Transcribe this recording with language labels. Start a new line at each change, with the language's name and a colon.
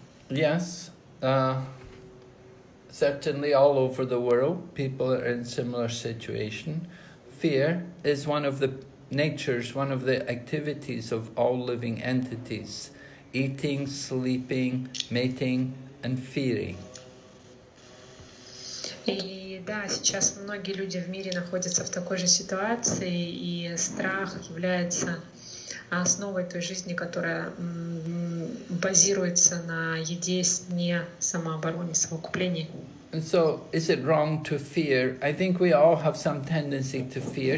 English: Yes, certainly all over the world, people are in similar situation. Fear is one of the natures, one of the activities of all living entities, eating, sleeping, mating, and fearing.
Russian: И да, сейчас многие люди в мире находятся в такой же ситуации, и страх является основой той жизни, которая базируется на еде, сне, самообороне, самокуплении.
English: And so, is it wrong to fear? I think we all have some tendency to fear.